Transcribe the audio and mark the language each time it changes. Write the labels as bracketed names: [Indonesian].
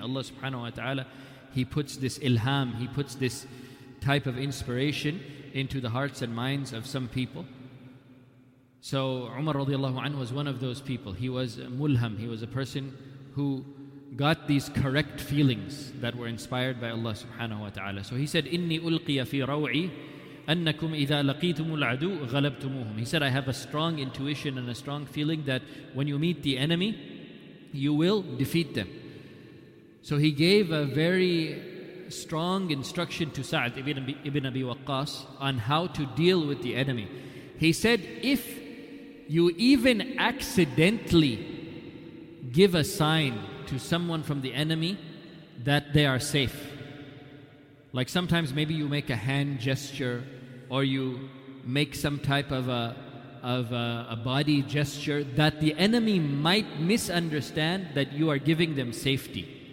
[English] Allah subhanahu wa ta'ala, he puts this ilham, he puts this type of inspiration into the hearts and minds of some people. So Umar radiallahu anhu was one of those people. He was mulham, he was a person who got these correct feelings that were inspired by Allah subhanahu wa ta'ala. [Arabic] So he said, "Inni ulqiya fi raw'i أنكم إذا لقيتم العدو غلبتموهم." [English] He said, "I have a strong intuition and a strong feeling that when you meet the enemy, you will defeat them." So he gave a very strong instruction to Sa'd ibn Abi Waqqas on how to deal with the enemy. He said, "If you even accidentally give a sign to someone from the enemy that they are safe," like sometimes maybe you make a hand gesture or you make some type of a body gesture that the enemy might misunderstand that you are giving them safety.